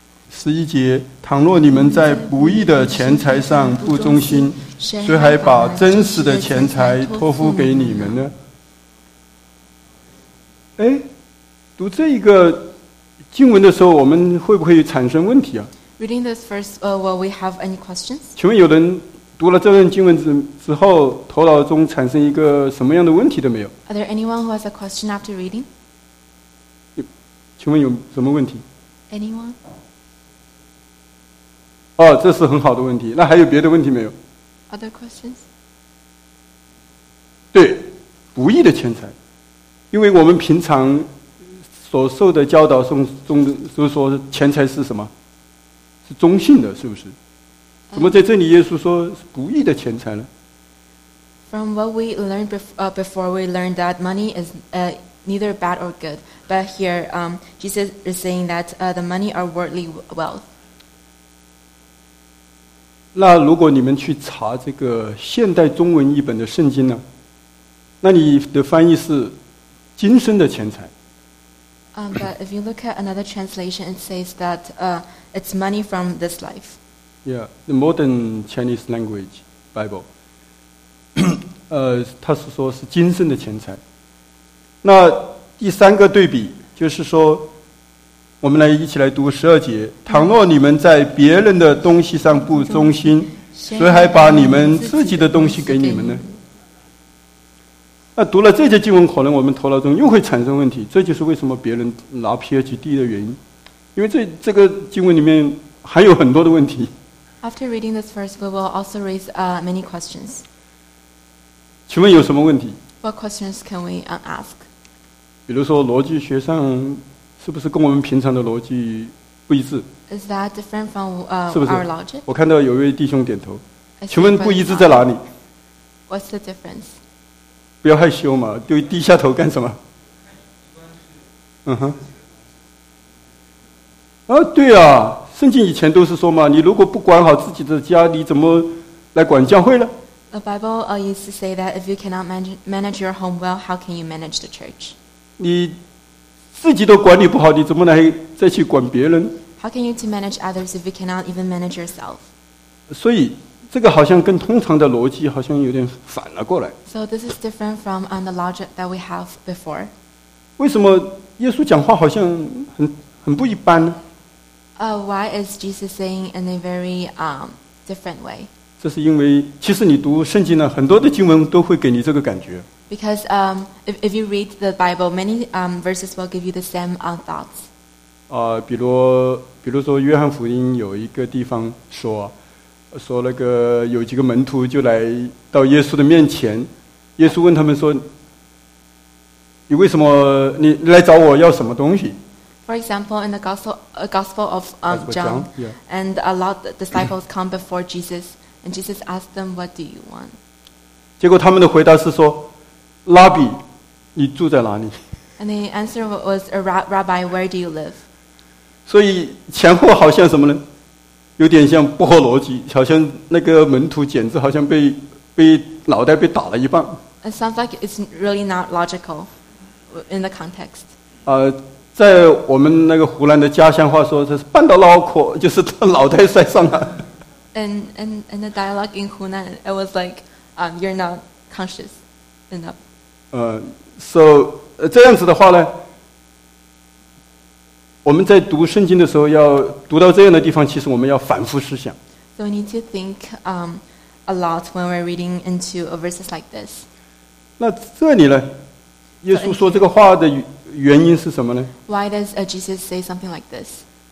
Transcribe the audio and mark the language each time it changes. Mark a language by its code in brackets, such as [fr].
[zh] 十一节，倘若你们在不义的钱财上不忠心，谁还把真实的钱财托付给你们呢？哎，读这一个经文的时候，我们会不会产生问题啊 [en] ？Reading this first, will we have any questions? [zh] 请问有人？读了这段经文之后，头脑中产生一个什么样的问题都没有 [en] ？Are there anyone who has a question after reading？ [zh] 请问有什么问题 [en] ？Anyone？ [zh] 哦，这是很好的问题。那还有别的问题没有 [en] ？Other questions？ [zh] 对，不义的钱财，因为我们平常所受的教导中都说钱财是什么？是中性的，是不是？怎么在这里耶稣说不义的钱财呢 [en] ？From what we learned before, we learned that money is neither bad or good. But here, Jesus is saying that the money are worldly wealth. [zh] 那如果你们去查这个现代中文译本的圣经呢？那你的翻译是今生的钱财。 [en] But if you look at another translation, it says that it's money from this life. Yeah, the modern Chinese language Bible. [zh] 他是说是今生的钱财。那第三个对比就是说，我们来一起来读十二节。倘若你们在别人的东西上不忠心，谁还把你们自己的东西给你们呢？那读了这节经文，可能我们头脑中又会产生问题。这就是为什么别人拿 PhD 的原因，因为这个经文里面还有很多的问题。 [en] After reading this verse, we will also raise many questions. [zh] 请问有什么问题？ [en] What questions can we ask? [zh] 比如说逻辑学上是不是跟我们平常的逻辑不一致？ [en] Is that different from our logic? [zh] 我看到有位弟兄点头。请问不一致在哪里？ [en] What's the difference? [zh] 不要害羞嘛，就低下头干什么？对啊，圣经以前都是说嘛，你如果不管好自己的家，你怎么来管教会呢？ [en] The Bible used to say that if you cannot manage your home well, how can you manage the church? [zh] 你自己都管理不好，你怎么来再去管别人？ [en] How can you to manage others if you cannot even manage yourself? [zh] 所以这个好像跟通常的逻辑好像有点反了过来。 [en] So this is different from on the logic that we have before. [zh] 为什么耶稣讲话好像很不一般呢？ [en] Why is Jesus saying in a very different way? [zh] 这是因为其实你读圣经呢，很多的经文都会给你这个感觉。 [en] Because if you read the Bible, many verses will give you the same thoughts. [zh] 比如说约翰福音有一个地方说那个有几个门徒就来到耶稣的面前，耶稣问他们说，你为什么你来找我要什么东西？ [en] For example, in the Gospel of John, and a lot of disciples come before Jesus, and Jesus asked them, "What do you want?" [zh] 结果他们的回答是说，拉比，你住在哪里？ [en] And the answer was, "Rabbi, where do you live?" [zh] 所以前后好像什么呢？有点像不合逻辑，好像那个门徒简直好像被脑袋被打了一棒。 [en] It sounds like it's really not logical in the context. [zh] 在我们那个湖南的家乡话说，这是绊到脑壳，就是脑袋摔伤了。 [en] And the dialogue in Hunan, it was like, you're not conscious enough. So [zh] 这样子的话呢，我们在读圣经的时候，要读到这样的地方，其实我们要反复思想。 [en] So we need to think a lot when we're reading into a verses like this. [zh] 那这里呢，耶稣说这个话的原因是什么呢？ [en] Why does Jesus say something like this?